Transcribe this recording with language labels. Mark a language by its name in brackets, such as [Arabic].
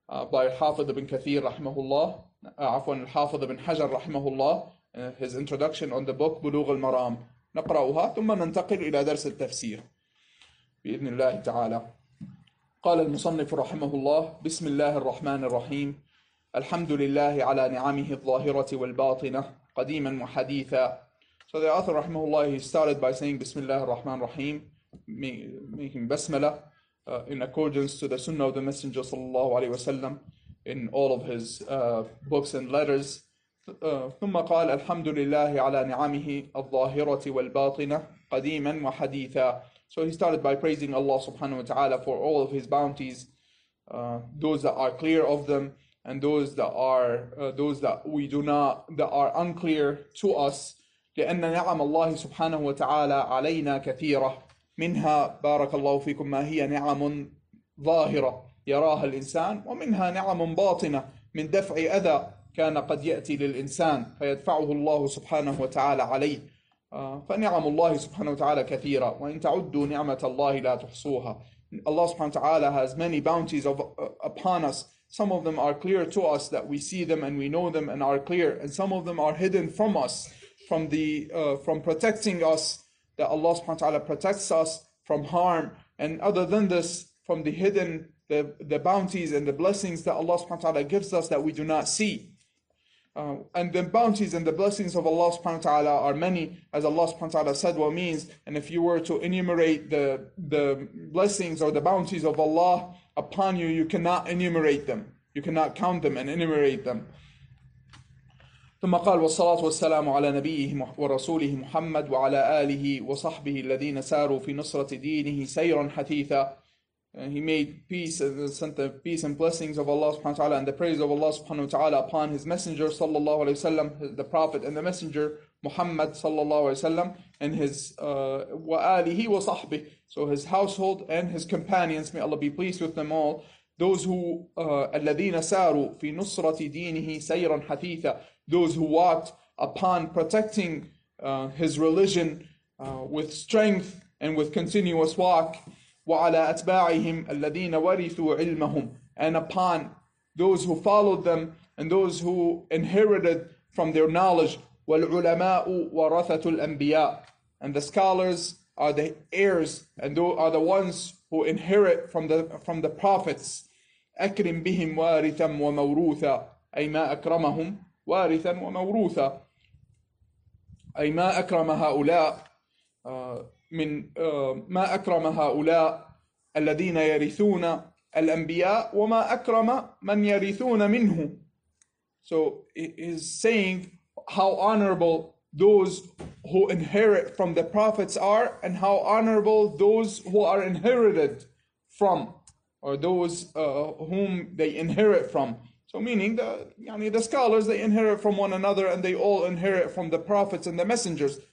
[English] by [Arabic] الحافظ بن كثير رحمه الله عفوا الحافظ بن حجر رحمه الله [English] his introduction on the book [Arabic] بلوغ المرام نقرأها ثم ننتقل إلى درس التفسير بإذن الله تعالى قال المصنف رحمه الله بسم الله الرحمن الرحيم الحمد لله على نعمه الظاهرة والباطنة قديما وحديثا [English] so the author [Arabic] رحمه الله [English] he started by saying [Arabic] بسم الله الرحمن الرحيم [English] making بسملة in accordance to the sunnah of the messenger صلى الله عليه وسلم in all of his books and letters. [Arabic] ثم قال الحمد لله على نعمه الظاهرة والباطنة قديما وحديثا. [English] So he started by praising Allah subhanahu wa ta'ala for all of his bounties, those that are clear of them and those that are unclear to us. [Arabic] لأن نعم الله سبحانه وتعالى علينا كثيرة منها بارك الله فيكم ما هي نعم ظاهرة. يراها الإنسان ومنها نعم باطنة من دفع أذى كان قد يأتي للإنسان فيدفعه الله سبحانه وتعالى عليه فنعم الله سبحانه وتعالى كثيرة وإن تعدوا نعمة الله لا تحصوها [English] الله سبحانه وتعالى has many bounties upon us some of them are clear to us that we see them and we know them and are clear and some of them are hidden from us from protecting us that Allah سبحانه وتعالى protects us from harm and other than this from the hidden The bounties and the blessings that Allah subhanahu wa ta'ala gives us that we do not see. And the bounties and the blessings of Allah subhanahu wa ta'ala are many, as Allah subhanahu wa ta'ala said, well, means, and if you were to enumerate the blessings or the bounties of Allah upon you, you cannot enumerate them. You cannot count them and enumerate them. [Arabic] ثم قال والصلاة والسلام على نبيه ورسوله محمد وعلى آله وصحبه الذين ساروا في نصرة دينه سيرا حثيثا. [English] And he made peace and sent the peace and blessings of Allah subhanahu wa ta'ala and the praise of Allah subhanahu wa ta'ala upon his messenger sallallahu alayhi wa sallam, the prophet and the messenger Muhammad sallallahu alayhi wa sallam, and his wa alihi wa sahbihi, so his household and his companions, may Allah be pleased with them all, those who alladhina saru fi nusrati dinihi sayran hatitha, those who walked upon protecting his religion with strength and with continuous walk. [Arabic] وعلى أتباعهم الذين ورثوا علمهم, [English] and upon those who followed them and those who inherited from their knowledge. [Arabic] والعلماء ورثة الأنبياء, [English] and the scholars are the heirs and are the ones who inherit from the prophets. [Arabic] أكرم بهم وارثا وموروثا, أي ما أكرمهم وارثا وموروثا, أي ما أكرم هؤلاء من ما أكرم هؤلاء الذين يرثون الأنبياء وما أكرم من يرثون منه. [English] So he's saying how honorable those who inherit from the prophets are, and how honorable those who are inherited from, or those whom they inherit from. So meaning the scholars, they inherit from one another, and they all inherit from the prophets and the messengers.